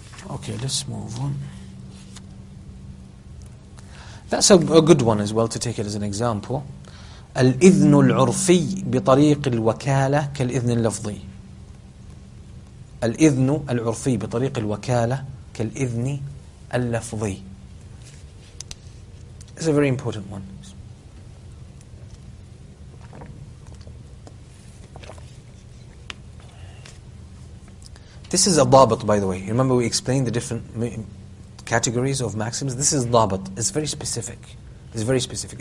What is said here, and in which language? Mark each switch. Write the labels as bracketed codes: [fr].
[en] Okay, let's move on. That's a good one as well, to take it as an example. [ar] الإذن العرفي بطريق الوكالة كالإذن اللفظي. الإذن العرفي بطريق الوكالة كالإذن اللفظي. [en] It's a very important one. This is a ضابط, by the way. Remember we explained the different categories of maxims? This is ضابط. It's very specific. It's very specific.